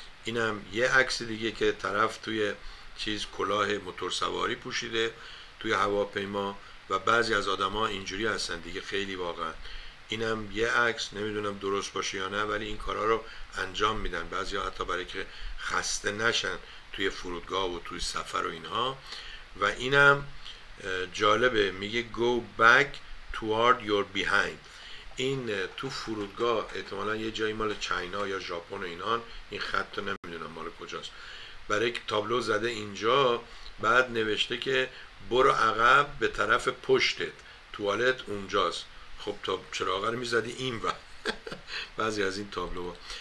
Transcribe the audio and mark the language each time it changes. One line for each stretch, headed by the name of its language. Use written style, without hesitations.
Persian: اینم یه عکس دیگه که طرف توی چیز کلاه موتور سواری پوشیده توی هواپیما، و بعضی از آدم ها اینجوری هستن دیگه خیلی واقعا. اینم یه عکس، نمیدونم درست باشه یا نه ولی این کارا رو انجام میدن بعضی ها، حتی برای که خسته نشن توی فرودگاه و توی سفر و اینها. و اینم جالبه، میگه
English: go back toward your behind.
Persian: این تو فرودگاه احتمالا یه جایی مال چینا یا ژاپن و اینان، این خط رو نمیدونم مال کجاست، برای که تابلو زده اینجا، بعد نوشته که برو عقب به طرف پشتت، توالت اونجاست. خب تا چراغ رو میزدی این و بعضی از این تابلو.